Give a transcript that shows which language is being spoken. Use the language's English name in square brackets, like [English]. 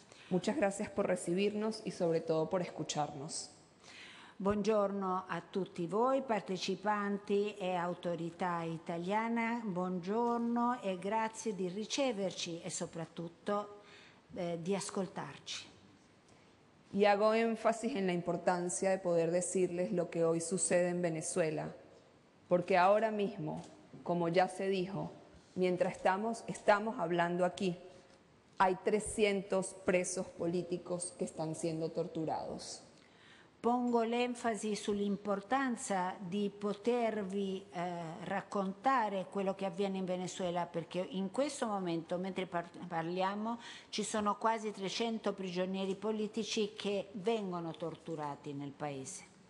[Spanish] Muchas gracias por recibirnos y sobre todo por escucharnos. [Italian] Buongiorno a tutti voi partecipanti e autorità italiana. Buongiorno e grazie di riceverci e soprattutto di ascoltarci. [Spanish] Y hago énfasis en la importancia de poder decirles lo que hoy sucede en Venezuela, porque ahora mismo, como ya se dijo, mientras estamos hablando aquí, hay 300 presos políticos que están siendo torturados. [Italian] Pongo l'enfasi sull'importanza di potervi raccontare quello che avviene in Venezuela, perché in questo momento, mentre parliamo, ci sono quasi 300 prigionieri politici che vengono torturati nel paese.